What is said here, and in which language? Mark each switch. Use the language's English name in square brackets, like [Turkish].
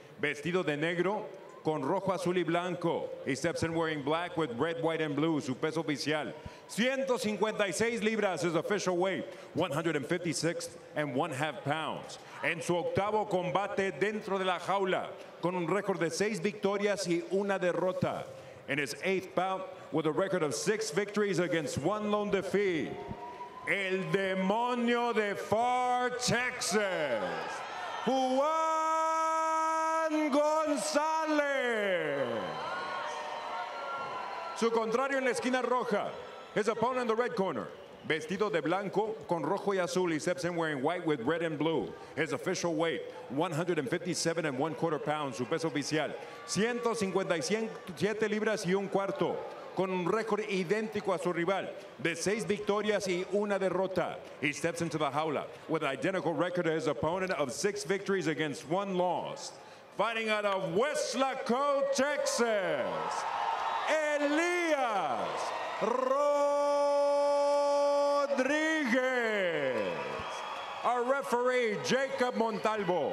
[Spanish] Vestido de negro, con rojo, azul y blanco. [English] He steps in wearing black with red, white, and blue. [Spanish] Su peso oficial, 156 libras [English] is official weight, 156 and one half pounds. [Spanish] En su octavo combate dentro de la jaula, con un récord de 6 victorias y una derrota. [English] In his eighth bout, with a record of 6 victories against 1 lone defeat, [Spanish] el demonio de Far Texas, [English] Juan Gonzalez. [Spanish] Su contrario en la esquina roja, [English] his opponent in the red corner, [Spanish] vestido de blanco con rojo y azul, [English] he steps in wearing white with red and blue. His official weight, 157 and one quarter pounds. [Spanish] Su peso oficial, 157 libras y un cuarto, con un récord idéntico a su rival de 6 victorias y una derrota. [English] He steps into the jaula with an identical record to his opponent of 6 victories against 1 loss. Fighting out of West Laco, Texas, Elias Rodriguez, our referee, Jacob Montalvo.